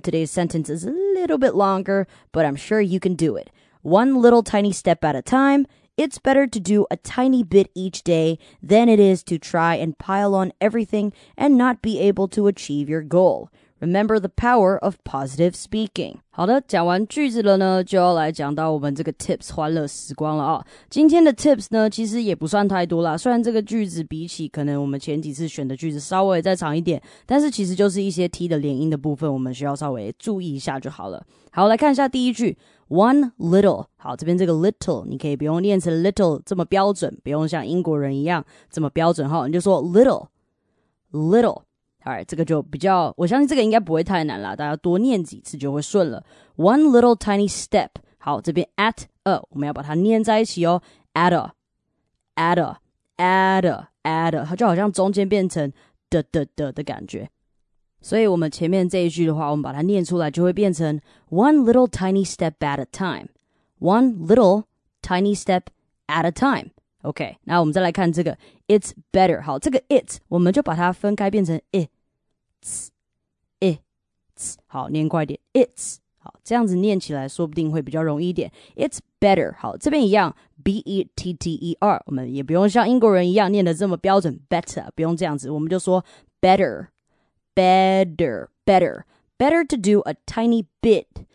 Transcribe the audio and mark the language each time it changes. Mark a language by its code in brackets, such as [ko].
[en] Today's sentence is a little bit longer, but I'm sure you can do it. One little tiny step at a time. It's better to do a tiny bit each day than it is to try and pile on everything and not be able to achieve your goal. Remember the power of positive speaking. [zh] 好的，讲完句子了呢，就要来讲到我们这个 tips 欢乐时光了啊、哦。今天的 tips 呢，其实也不算太多啦，虽然这个句子比起可能我们前几次选的句子稍微再长一点，但是其实就是一些 T 的连音的部分，我们需要稍微注意一下就好了。好，来看一下第一句 ， [en] one little。 [zh] 好，这边这个 little 你可以不用念成 little 这么标准，不用像英国人一样这么标准哈，你就说 little。 Alright, 这个就比较，我相信这个应该不会太难啦，大家多念几次就会顺了。 [en] One little tiny step. [zh] 好，这边 at a, 我们要把它念在一起哦。At a, 它就好像中间变成的的的的感觉。所以我们前面这一句的话，我们把它念出来就会变成 [en] One little tiny step at a time. One little tiny step at a time. [zh] OK, 那我们再来看这个 [en] It's better. [zh] 好，这个 it 我们就把它分开变成 it's 好，念快点 It's 好，这样子念起来说不定会比较容易一点 It's better. 好，这边一样 B-E-T-T-E-R 我们也不用像英国人一样念得这么标准 Better 不用这样子我们就说 Better [en] Better to do a tiny bit.